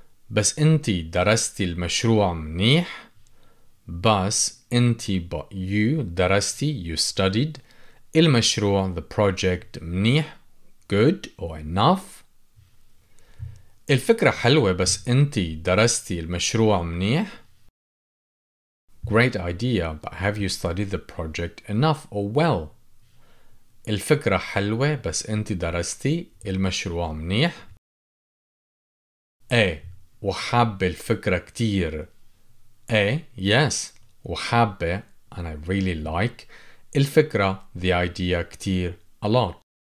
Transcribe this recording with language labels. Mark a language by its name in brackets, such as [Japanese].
[Arabic] بس انتي درستي المشروع منيح. بس انتي, [English] but you, [Arabic] درستي, [English] you studied [Arabic] المشروع, [English] the project, [Arabic] منيح, [English] good or enough. [Arabic] الفكرة حلوة بس انتي درستي المشروع منيح. [English] Great idea, but have you studied the project enough or well? [Arabic] الفكرة حلوة بس انتي درستي المشروع منيح. A, وحب الفكرة كتير. A, yes. وحب, [English] and I really like. [Arabic] الفكرة, [English] the idea, [Arabic] كتير, [English] a lot.